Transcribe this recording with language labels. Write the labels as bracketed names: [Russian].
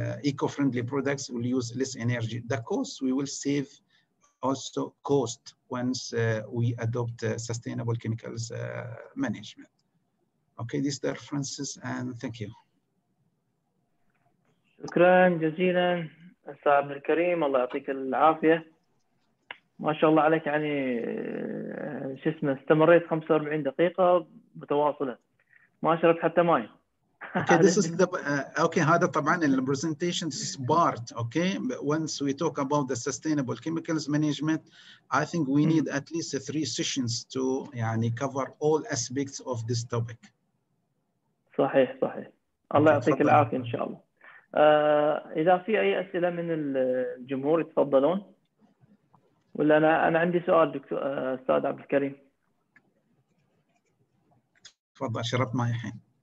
[English] Eco-friendly products will use less energy. The cost, we will save also cost once we adopt sustainable chemicals management. Okay, this is the references, and thank you. [Arabic] شكرا جزيلا أستاذ الكريم الله يعطيك العافية ما شاء الله عليك يعني شو اسمه استمريت 45 دقيقة متواصلة ما شربت حتى ماي [English] okay this is the okay [Arabic] هذا طبعا [English] the presentation is part okay once we talk about the sustainable chemicals management I think we need at least three sessions to يعني cover all aspects of this topic [Arabic] صحيح صحيح الله يعطيك العافية إن شاء الله إذا في أي أسئلة من الجمهور يتفضلون ولا أنا عندي سؤال دكتور أستاذ عبد الكريم تفضل شربت ماي الحين